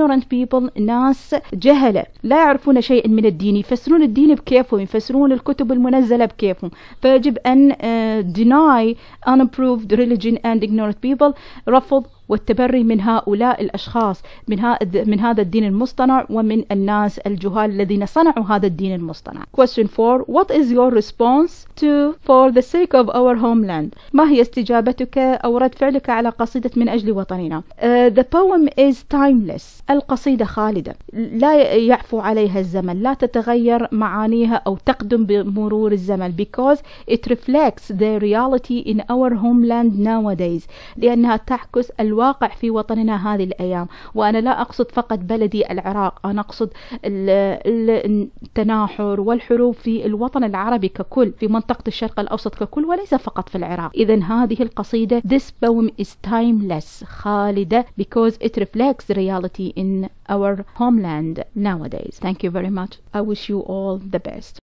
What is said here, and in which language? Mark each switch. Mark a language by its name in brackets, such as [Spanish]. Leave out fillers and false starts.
[Arabic] people ناس جهلة لا يعرفون شيئا من الدين يفسرون الدين بكيفهم يفسرون الكتب المنزلة بكيفهم فيجب أن [English] deny unapproved religion and ignorant people [Arabic] رفض والتبري من هؤلاء الأشخاص من هذا الدين المصطنع ومن الناس الجهال الذين صنعوا هذا الدين المصطنع. [English] Question 4 What is your response to for the sake of our homeland? [Arabic] ما هي استجابتك أو رد فعلك على قصيدة من أجل وطننا؟ [English] The poem is timeless [Arabic] القصيدة خالدة لا يعفو عليها الزمن لا تتغير معانيها أو تقدم بمرور الزمن because [English] it reflects the reality in our homeland nowadays [Arabic] لأنها تعكس الواقع في وطننا هذه الأيام وأنا لا أقصد فقط بلدي العراق أنا أقصد التناحر والحروب في الوطن العربي ككل في منطقة الشرق الأوسط ككل وليس فقط في العراق. إذن هذه القصيدة [English] This poem is timeless [Arabic] خالدة [English] because it reflects reality in our homeland nowadays. Thank you very much. I wish you all the best.